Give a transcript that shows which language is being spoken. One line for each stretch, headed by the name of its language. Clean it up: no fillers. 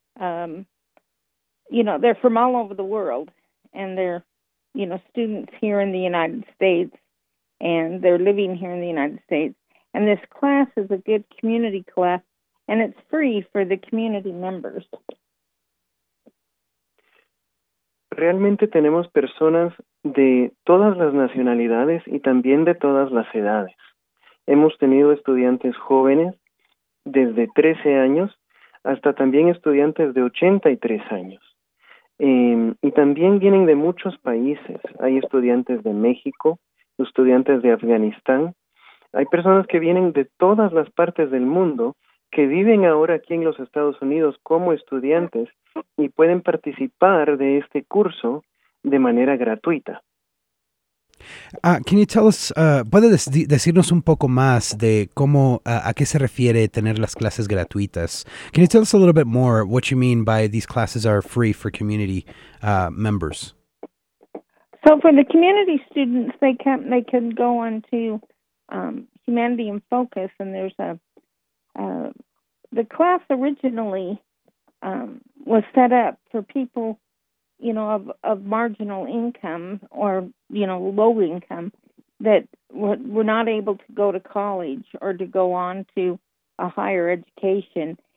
English: They're from all over the world, and they're, students here in the United States, and they're living here in the United States, And this class is a good community class, and it's free for the community members.
Spanish: Realmente tenemos personas de todas las nacionalidades y también de todas las edades. Hemos tenido estudiantes jóvenes desde 13 años hasta también estudiantes de 83 años. Y también vienen de muchos países. Hay estudiantes de México, estudiantes de Afganistán. Hay personas que vienen de todas las partes del mundo que viven ahora aquí en los Estados Unidos como estudiantes y pueden participar de este curso de manera gratuita. ¿Puede decirnos un poco más de cómo a qué se refiere tener las clases gratuitas?
English: Can you tell us a little bit more what you mean by these classes are free for community members? So for the community students, they can go on to Humanity in Focus, and there's a the class originally was set up for people, you know, of marginal income or, you know, low income that were not able to go to college or to go on to a higher education.